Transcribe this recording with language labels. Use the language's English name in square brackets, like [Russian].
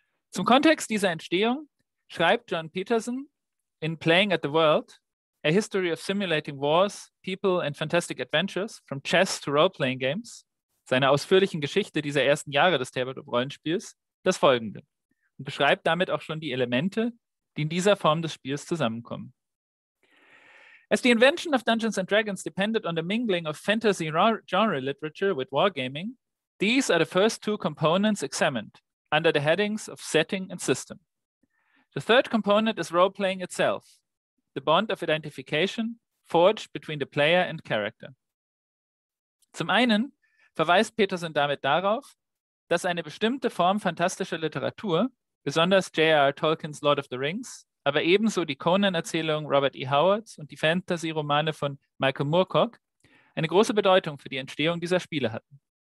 [German] Zum Kontext dieser Entstehung schreibt John Peterson in Playing at the World, A History of Simulating Wars, People and Fantastic Adventures, From Chess to Role-Playing Games, seiner ausführlichen Geschichte dieser ersten Jahre des Tabletop-Rollenspiels, das folgende und beschreibt damit auch schon die Elemente, die in dieser Form des Spiels zusammenkommen. [English] As the invention of Dungeons and Dragons depended on the mingling of fantasy genre literature with wargaming, these are the first two components examined under the headings of setting and system. The third component is role-playing itself, the bond of identification forged between the player and character. [German] Zum einen verweist Peterson damit darauf, dass eine bestimmte Form fantastischer Literatur, besonders J.R.R. Tolkien's Lord of the Rings, aber ebenso die Conan-Erzählung Robert E. Howards und die Fantasy-Romane von Michael Moorcock, eine große Bedeutung für die Entstehung dieser Spiele hatten.